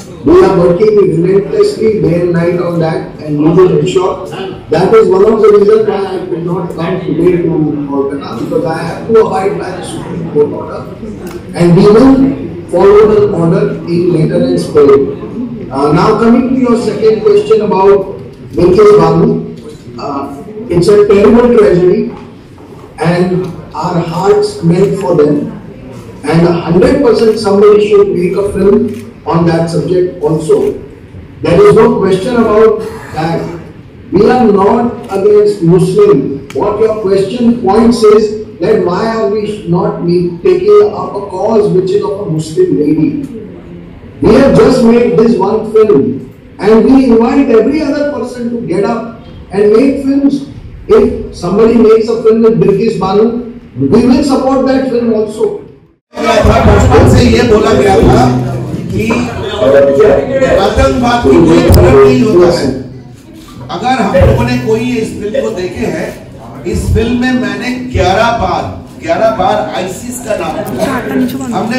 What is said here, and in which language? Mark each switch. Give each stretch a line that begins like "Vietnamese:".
English: We are working relentlessly day and night on that and we will ensure that is one of the reason why I could not come today to organise because I have to abide by the Supreme Court order and we will follow the order in letter and spirit. Now coming to your second question about Venkatesh Balu, it's a terrible tragedy and our hearts melt for them and 100% somebody should make a film on that subject also. There is no question about that. We are not against Muslim. What your question points is that why are we not taking up a cause which is of a Muslim lady? We have just made this one film and we invite every other person to get up and make films. If somebody makes a film with Birkis Banu, we will support that film also.
Hindi: अगर हम लोगों ने कोई इस film को देखे हैं, इस फिल्म में मैंने 11 बार आईसीस का नाम लिया।